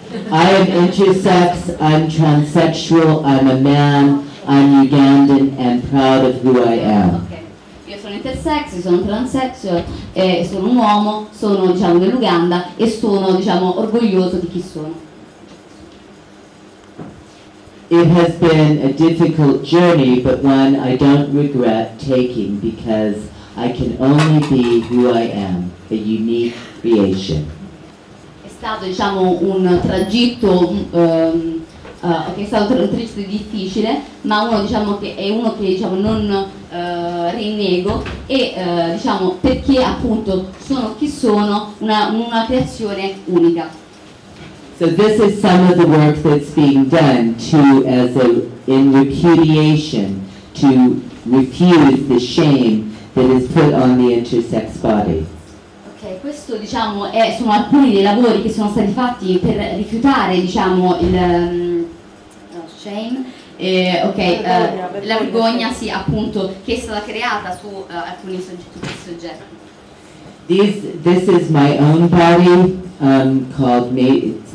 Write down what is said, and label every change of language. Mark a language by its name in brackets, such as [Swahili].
[English] I am intersex, I'm transsexual, I'm a man, I'm Ugandan and proud of who I am. [Italian] Okay. Io sono intersex, sono transsexual, sono un uomo, sono, diciamo, dell'Uganda e sono, diciamo, orgoglioso di chi sono. [English] It has been a difficult journey, but one I don't regret taking because I can only be who I am, a unique creation. [Italian] È stato, diciamo, un tragitto che è stato un tragitto difficile, ma uno, diciamo, che è uno che, diciamo, non rinnego, e diciamo, perché appunto sono chi sono, una creazione unica. [English] So this is some of the work that's being done to, as a, in repudiation, to refuse the shame that is put on the intersex body. [Italian] Okay, questo, diciamo, sono alcuni dei lavori che sono stati fatti per rifiutare, diciamo, il shame, la vergogna, sì, appunto, che è stata creata su alcuni soggetti. [English] This is my own body, called me.